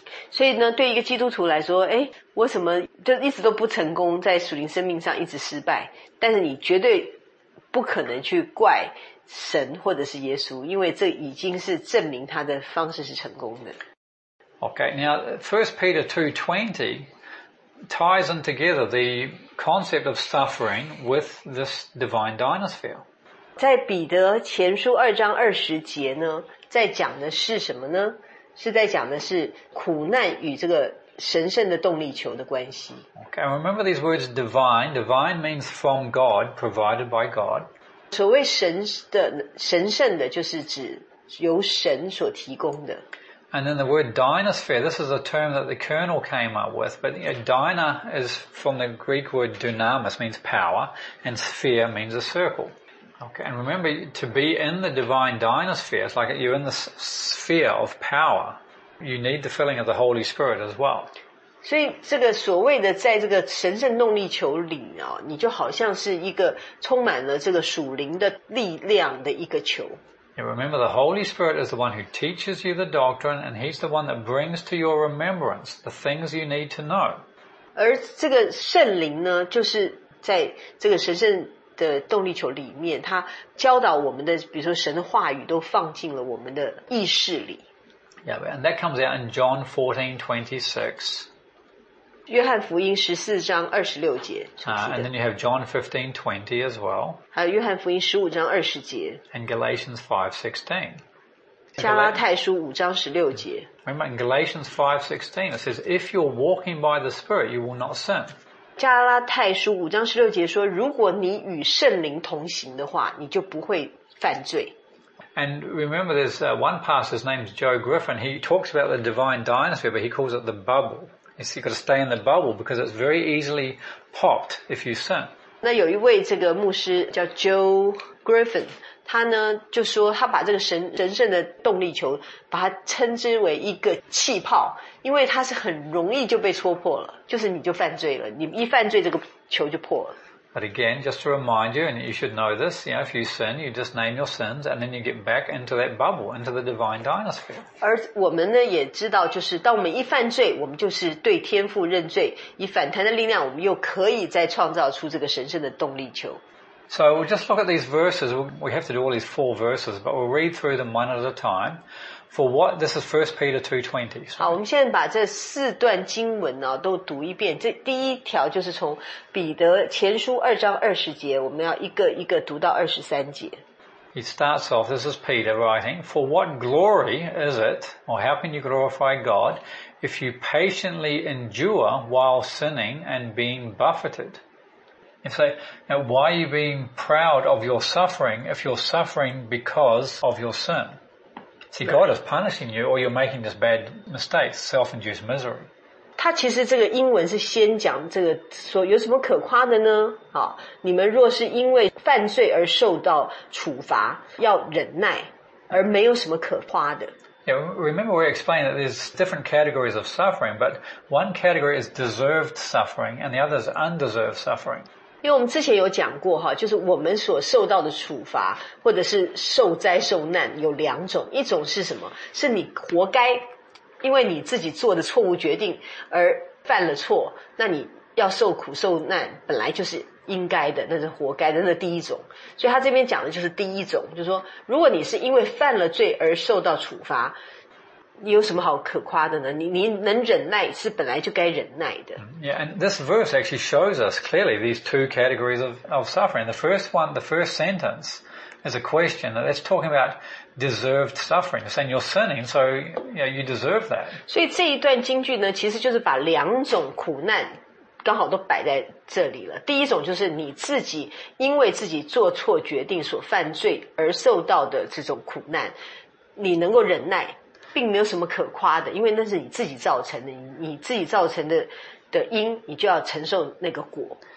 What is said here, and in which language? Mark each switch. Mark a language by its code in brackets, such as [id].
[zh] 所以呢，对一个基督徒来说，诶，我什么就一直都不成功，在属灵生命上一直失败，但是你绝对不可能去怪神或者是耶稣，因为这已经是证明他的方式是成功的。 [en] Okay, now 1 Peter 2:20 ties in together the concept of suffering with this divine dynasphere. [zh] 在彼得前书二章二十节呢，在讲的是什么呢？是在讲的是苦难与这个神圣的动力球的关系。 [en] Okay, remember these words divine. Divine means from God, provided by God. [zh] 所谓神的神圣的，就是指由神所提供的。 [en] And then the word dynasphere, this is a term that the colonel came up with, but you know, dyna is from the Greek word dunamis, means power, and sphere means a circle. Okay, and remember, to be in the divine dynasphere, it's like you're in the sphere of power. You need the filling of the Holy Spirit as well. [zh] 所以这个所谓的在这个神圣动力球里啊，你就好像是一个充满了这个属灵的力量的一个球。 [en] And remember, the Holy Spirit is the one who teaches you the doctrine, and He's the one that brings to your remembrance the things you need to know. [zh] 而这个圣灵呢，就是在这个神圣的动力球里面，他教导我们的，比如说神的话语都放进了我们的意识里。 [en] Yeah, and that comes out in John 14:26. [zh] 约翰福音十四章二十六节。 [en] And then you have John 15:20 as well. [zh] 还有约翰福音十五章二十节。 [en] And Galatians 5:16. [zh] 加拉太书五章十六节。 [en] Remember in Galatians 5:16, it says, "If you're walking by the Spirit, you will not sin." [zh] 加拉太书五章十六节说，如果你与圣灵同行的话，你就不会犯罪。 [en] And remember, there's one pastor, his name's Joe Griffin. He talks about the divine dynasphere, but he calls it the bubble. You've got to stay in the bubble because it's very easily popped if you sin. [zh] 那有一位这个牧师叫 Joe Griffin， 他呢就说他把这个神圣的动力球把它称之为一个气泡，因为它是很容易就被戳破了，就是你就犯罪了，你一犯罪这个球就破了。 [en] But again, just to remind you, and you should know this, you know, if you sin, you just name your sins, and then you get back into that bubble, into the divine dynasphere. [zh] 而我们呢，也知道，就是当我们一犯罪，我们就是对天父认罪，以反弹的力量，我们又可以再创造出这个神圣的动力球。 [en] So we'll just look at these verses. We have to do all these four verses, but we'll read through them one at a time. For what? This is 1 Peter 2:20. [zh] 好，我们现在把这四段经文呢、啊、都读一遍。这第一条就是从彼得前书二章二十节，我们要一个一个读到二十三节。 [en] It starts off. This is Peter writing. For what glory is it, or how can you glorify God, if you patiently endure while sinning and being buffeted? It's like, now, why are you being proud of your suffering if you're suffering because of your sin? See, God is punishing you or you're making this bad mistake, self-induced misery. [zh] 他其实这个英文是先讲这个说有什么可夸的呢？好，你们若是因为犯罪而受到处罚，要忍耐，而没有什么可夸的。 [en] Yeah, remember we explained that there's different categories of suffering, but one category is deserved suffering and the other is undeserved suffering. 因为我们之前有讲过，就是我们所受到的处罚或者是受灾受难有两种，一种是什么？是你活该，因为你自己做的错误决定而犯了错，那你要受苦受难本来就是应该的，那是活该的，那是第一种。所以他这边讲的就是第一种，就是说如果你是因为犯了罪而受到处罚，你有什么好可夸的呢？你能忍耐是本来就该忍耐的。 Yeah, and this verse actually shows us clearly these two categories of suffering. The first one, the first sentence is a question that it's talking about deserved suffering. It's saying you're sinning, so you deserve that. [zh] 所以这一段经句呢，其实就是把两种苦难刚好都摆在这里了。第一种就是你自己因为自己做错决定所犯罪而受到的这种苦难，你能够忍耐并没有什么可夸的，因为那是你自己造成的，你自己造成的因，你就要承受那个果。